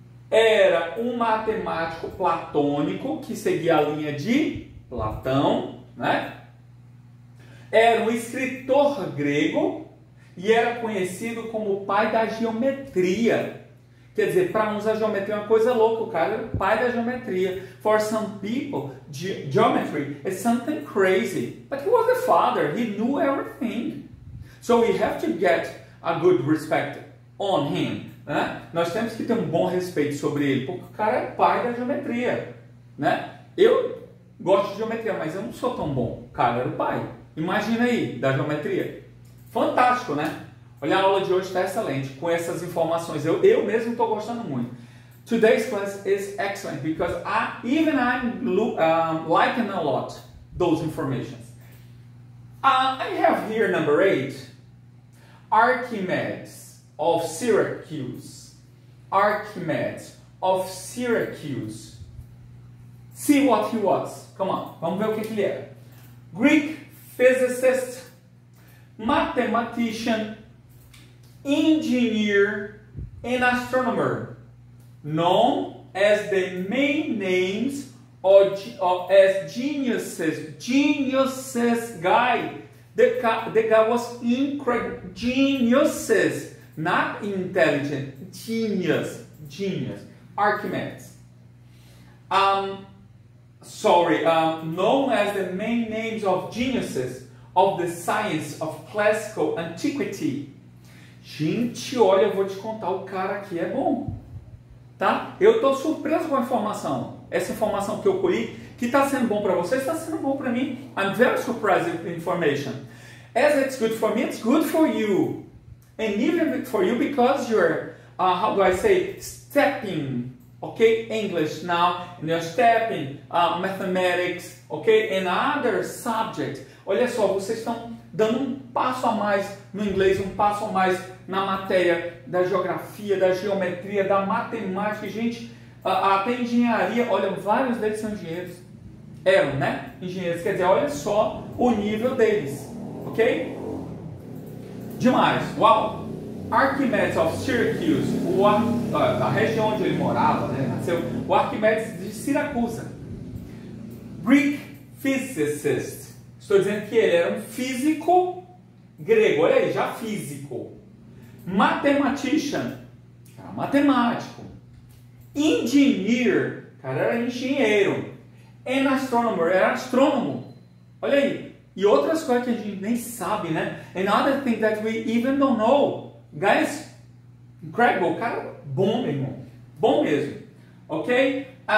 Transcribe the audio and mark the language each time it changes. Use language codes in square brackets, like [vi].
[pt] Era um matemático platônico que seguia a linha de Platão, né? Era um escritor grego e era conhecido como o pai da geometria. Quer dizer, para uns a geometria é uma coisa louca, o cara era o pai da geometria. [en] For some people, geometry is something crazy. But he was the father, he knew everything. So we have to get a good respect on him, né? [pt] Nós temos que ter um bom respeito sobre ele, porque o cara é o pai da geometria, né? Eu gosto de geometria, mas eu não sou tão bom. O cara era o pai. Imagina aí, da geometria. Fantástico, né? Olha, a aula de hoje está excelente. Com essas informações, eu mesmo estou gostando muito. [en] Today's class is excellent because I'm liking a lot those informations. I have here number 8. Archimedes of Syracuse. Archimedes of Syracuse. See what he was. Come on. [pt] Vamos ver o que ele era. [en] Greek physicist, mathematician, engineer, and astronomer. Known as the main names as geniuses guy. The guy was incredible. Geniuses. Not intelligent. Genius. Archimedes. Known as the main names of geniuses of the science of classical antiquity. [pt] Gente, olha, eu vou te contar, o cara aqui é bom, tá? Eu estou surpreso com a informação. Essa informação que eu colhi, que está sendo bom para você, está sendo bom para mim. [en] I'm very surprised with the information. As it's good for me, it's good for you. And even for you because you're, stepping Okay, English now, and you're stepping mathematics, okay, and other subjects. [pt] Olha só, vocês estão dando um passo a mais no inglês, um passo a mais na matéria da geografia, da geometria, da matemática, gente, até engenharia. Olha, vários deles são engenheiros. Eram, né? Engenheiros, quer dizer, olha só o nível deles, ok? Demais, uau! Archimedes of Syracuse, a região onde ele morava, né, nasceu, o Archimedes de Siracusa. [en] Greek physicist, [pt] estou dizendo que ele era um físico grego, olha aí, já físico. Mathematician, era matemático. Engineer, cara, era engenheiro. [en] And astronomer, [pt] era astrônomo, olha aí. E outras coisas que a gente nem sabe, né? [en] And other things that we even don't know. Guys, incredible, [pt] cara, bom, meu irmão, bom mesmo, ok?